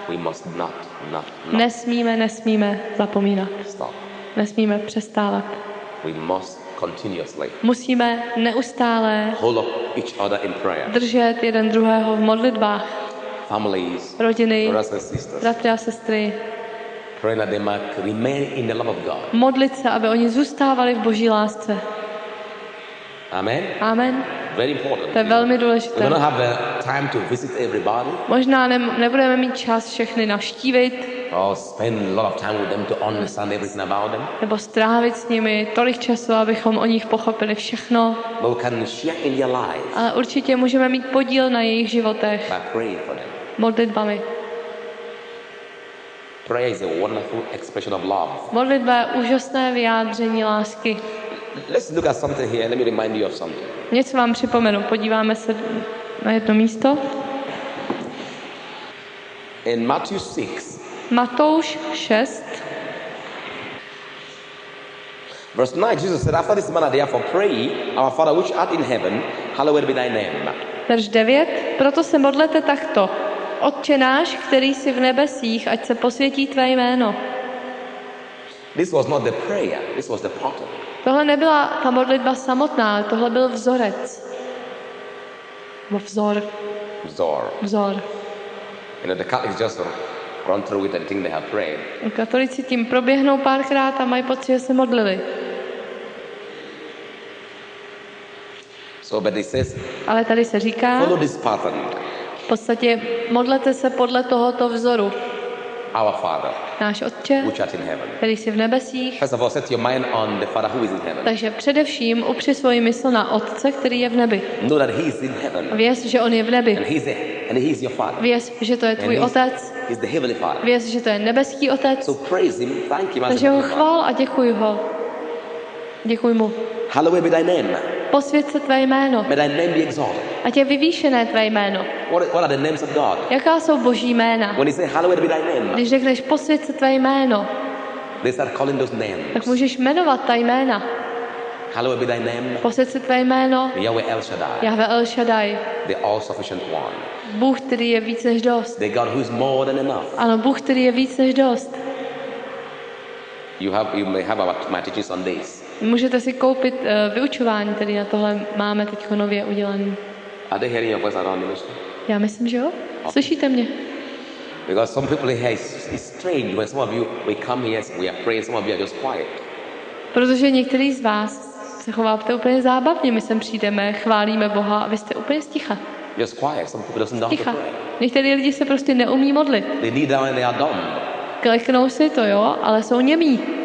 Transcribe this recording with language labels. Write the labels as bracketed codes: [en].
[en] We must not. [cs] Nesmíme zapomínat. [en] Stop. [cs] Nesmíme přestávat. [en] We must continuously. [cs] Musíme neustále. [en] Hold up each other in prayer. [cs] Držet jeden druhého v modlitbách. [en] Families. [cs] Rodiny. [en] Brothers and sisters. [cs] Bratři a sestry. [en] Pray that they might remain in the love of God. [cs] Modlit se, aby oni zůstávali v Boží lásce. [en] Amen. [cs] Amen. [en] Very important. [cs] To je velmi důležité. [en] We don't have time to visit everybody. [cs] Možná nebudeme mít čas všechny navštívit. [en] Or spend a lot of time with them to understand everything about them. [cs] Nebo strávit s nimi tolik času, abychom o nich pochopili všechno. [en] But we can share in their lives. [cs] Ale určitě můžeme mít podíl na jejich životech. [en] By praying for them. [cs] Modlitbami. [en] Prayer is a wonderful expression of love. [cs] Modlitba je úžasné vyjádření lásky. [en] Let's look at something here. Let me remind you of something. [cs] Něco vám připomenu. Podíváme se na jedno místo. [en] In Matthew 6. [cs] Matouš 6. [en] Verse 9, Jesus said, after this manner therefore pray, our Father which art in heaven, hallowed be thy name. Verse 9, [cs] proto se modlete takto. Otče náš, který jsi v nebesích, ať se posvětí tvé jméno. [en] This was not the prayer, this was the pattern. [cs] Tohle nebyla ta modlitba samotná, tohle byl vzorec. Vzor. [en] You know, the Catholics just run through it and think they have prayed. [cs] Katolíci tím proběhnou párkrát a mají pocit, že se modlili. [en] So, but it says, [cs] ale tady se říká, [en] follow this pattern. [cs] V podstatě modlete se podle tohoto vzoru. [en] Our Father, [cs] náš Otče, [en] which art in heaven. [cs] Který jsi v nebesích. [en] First of all, set your mind on the Father who is in heaven. [cs] Takže především upři svoji mysl na Otce, který je v nebi. [en] Know that he is in heaven. [cs] Věř, že on je v nebi. [en] And he is your Father. [cs] Věř, že to je tvůj Otec. [en] He's the heavenly Father. [cs] Věř, že to je nebeský Otec. [en] So praise him, thank him. [cs] Takže ho chvál a děkuj ho. Děkuj mu. [en] Hallowed be thy name. [cs] Posvěť se tvé jméno. [en] May thy name be exalted. [cs] Ať je vyvýšené tvé jméno. [en] What are the names of God? [cs] Jaká jsou Boží jména? [en] When you say, hallowed be thy name. [cs] Když řekneš posvěť se tvé jméno. [en] They start calling those names. [cs] Tak můžeš jmenovat ta jména. [en] Hallowed be thy name. [cs] Posvěť se tvé jméno. [en] Yahweh El Shaddai. [cs] Yahweh El Shaddai. [en] The all-sufficient one. [cs] Bůh, který je víc než dost. [en] The God who is more than enough. [cs] Ano, Bůh, který je víc než dost. [en] You may have my teachings on this. [cs] Můžete si koupit vyučování, tedy na tohle máme teď nově udělané. [en] Are they hearing your voice around the ministry? [cs] Já myslím, že jo. Slyšíte mě? [en] Because some people here it's strange when some of you we come here, we are praying, some of you are just quiet. [cs] Protože některý z vás se chováte úplně zábavně, my sem přijdeme, chválíme Boha a vy jste úplně sticha. [en] Just quiet. Some people doesn't know how to pray. [cs] Některý lidi se prostě neumí modlit. [en] They need that when they are dumb. [cs] Kleknou si to, jo, ale jsou němí.